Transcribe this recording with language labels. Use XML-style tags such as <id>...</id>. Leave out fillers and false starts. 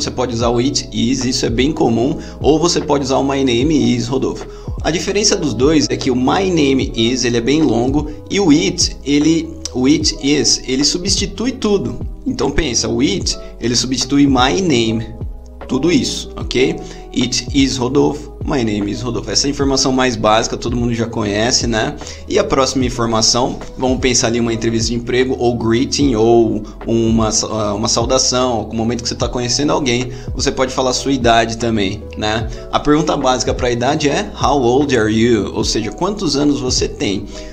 <pt>Você pode usar o</pt> <en>it is,</en> <pt>isso é bem comum. Ou você pode usar o</pt> <en>my name is Rodolfo.</en> <pt>A diferença dos dois é que o</pt> <en>my name is,</en> <pt>ele é bem longo, e o</pt> <en>it is,</en> <pt>ele substitui tudo. Então pensa, o it, ele substitui</pt> <en>my name,</en> <pt>tudo isso, ok?</pt> <en>It is Rodolfo, my name is Rodolfo.</en> <pt>Essa é a informação mais básica, todo mundo já conhece, né? E a próxima informação, vamos pensar ali uma entrevista de emprego, ou greeting, ou uma saudação, algum momento que você está conhecendo alguém, você pode falar sua idade também, né? A pergunta básica para a idade é</pt> <en>How old are you?</en> <pt>Ou seja, quantos anos você tem?</pt>